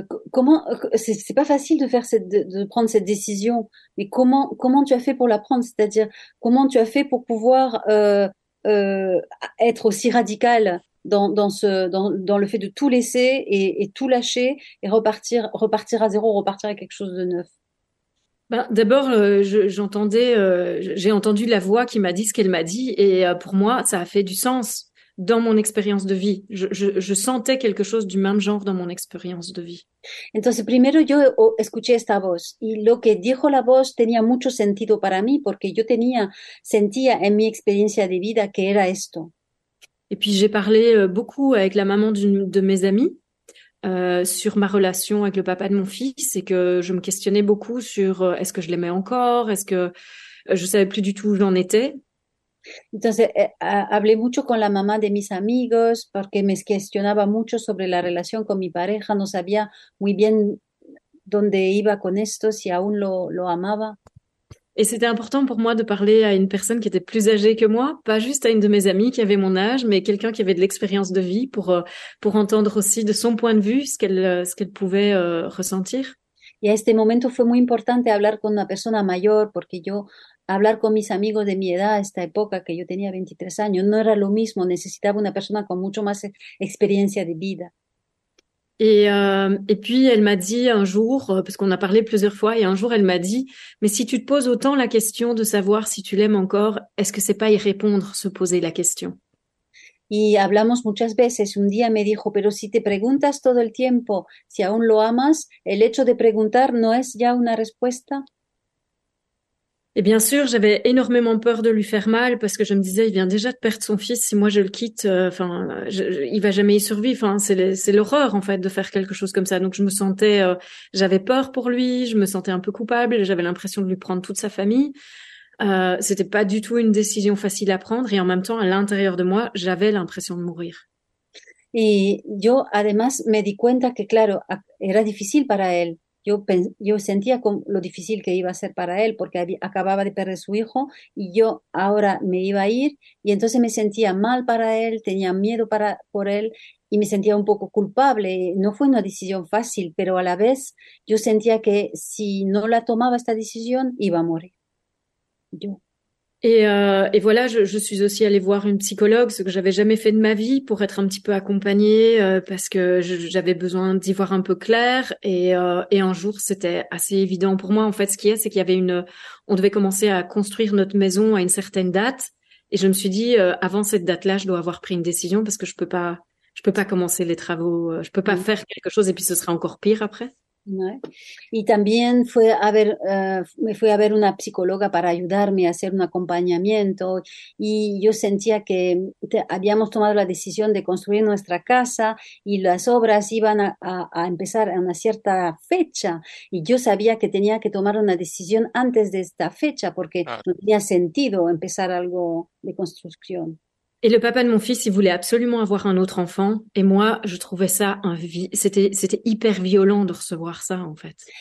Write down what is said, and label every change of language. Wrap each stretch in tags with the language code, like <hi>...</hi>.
<fr>Comment c'est pas facile de faire de prendre cette décision, mais comment tu as fait pour la prendre, c'est-à-dire comment tu as fait pour pouvoir être aussi radical dans le fait de tout laisser et tout lâcher et repartir à zéro, repartir à quelque chose de neuf? Ben, d'abord, j'ai entendu la voix qui m'a dit ce qu'elle m'a dit, et pour moi, ça a fait du sens dans mon expérience de vie. Je sentais quelque chose du même genre dans mon expérience de vie.</fr> <es>Entonces, primero yo escuché esta voz y lo que dijo la voz tenía mucho sentido para mí porque yo sentía en mi experiencia de vida que era esto.</es> <fr>Et puis j'ai parlé beaucoup avec la maman de mes amis. Sur ma relation avec le papa de mon fils, c'est que je me questionnais beaucoup sur est-ce que je l'aimais encore, est-ce que je savais plus du tout où j'en étais.</fr> <es>Entonces, hablé mucho con la mamá de mis amigos porque me cuestionaba mucho sobre la relación con mi pareja, no sabía muy bien dónde iba con esto, si aún lo amaba.</es> <fr>Et c'était important pour moi de parler à une personne qui était plus âgée que moi, pas juste à une de mes amies qui avait mon âge, mais quelqu'un qui avait de l'expérience de vie pour entendre aussi de son point de vue ce qu'elle pouvait ressentir.</fr> <es>Y a este momento fue muy importante hablar con una persona mayor porque yo hablar con mis amigos de mi edad, esta época que yo tenía 23 años, no era lo mismo, necesitaba una persona con mucho más experiencia de vida.</es> <fr>Et puis elle m'a dit un jour, parce qu'on a parlé plusieurs fois, et un jour elle m'a dit, mais si tu te poses autant la question de savoir si tu l'aimes encore, est-ce que c'est pas y répondre, se poser la question?</fr> <es>Y hablamos muchas veces. Un día me dijo, pero si te preguntas todo el tiempo si aún lo amas, el hecho de preguntar no es ya una respuesta.</es> <fr>Et bien sûr, j'avais énormément peur de lui faire mal parce que je me disais, il vient déjà de perdre son fils. Si moi je le quitte, enfin, il va jamais y survivre. Hein. C'est l'horreur en fait de faire quelque chose comme ça. Donc je me sentais, j'avais peur pour lui. Je me sentais un peu coupable. J'avais l'impression de lui prendre toute sa famille. C'était pas du tout une décision facile à prendre. Et en même temps, à l'intérieur de moi, j'avais l'impression de mourir.</fr> <es>Y yo además me di cuenta que, claro, era difícil para él. Yo sentía lo difícil que iba a ser para él porque acababa de perder su hijo y yo ahora me iba a ir y entonces me sentía mal para él, tenía miedo por él y me sentía un poco culpable. No fue una decisión fácil, pero a la vez yo sentía que si no la tomaba esta decisión, iba a morir. Yo.</es> <fr>Et voilà, je suis aussi allée voir une psychologue, ce que j'avais jamais fait de ma vie, pour être un petit peu accompagnée, parce que j'avais besoin d'y voir un peu clair. Et un jour, c'était assez évident pour moi. En fait, ce qu'il y a, c'est qu'il y avait on devait commencer à construire notre maison à une certaine date. Et je me suis dit, avant cette date-là, je dois avoir pris une décision parce que je peux pas commencer les travaux, je peux pas Non. faire quelque chose et puis ce sera encore pire après.</fr> <es>No. Y también me fui a ver una psicóloga para ayudarme a hacer un acompañamiento y yo sentía que habíamos tomado la decisión de construir nuestra casa y las obras iban a empezar a una cierta fecha y yo sabía que tenía que tomar una decisión antes de esta fecha porque no tenía sentido empezar algo de construcción.</es> <fr>Et le papa de mon fils, il voulait absolument avoir un autre enfant. Et moi, je trouvais ça un c'était hyper violent de recevoir ça, en fait.</fr>